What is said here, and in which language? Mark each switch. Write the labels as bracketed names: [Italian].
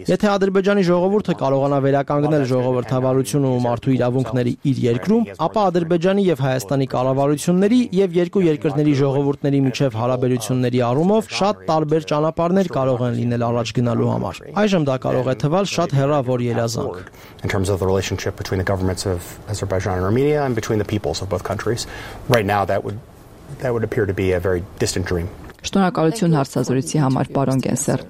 [Armenian] Եթե ադրբեջանի ժողովուրդը կարողանա վերականգնել ժողովրդավարությունը ու մարդու իրավունքների իր երկրում, ապա ադրբեջանի եւ հայաստանի կառավարությունների եւ երկու երկրների ժողովուրդների միջև հարաբերությունների առումով շատ տարբեր ճանապարհներ կարող են լինել առաջ գնալու համար։ Այժմ դա կարող է թվալ շատ հեռավոր երազանք։ [English] In terms of the relationship between the governments of Azerbaijan and Armenia and between the peoples of both countries, right now that would appear to be a very distant dream. [Armenian] Շնորհակալություն հարցազրույցի համար, պարոն Գենսեր։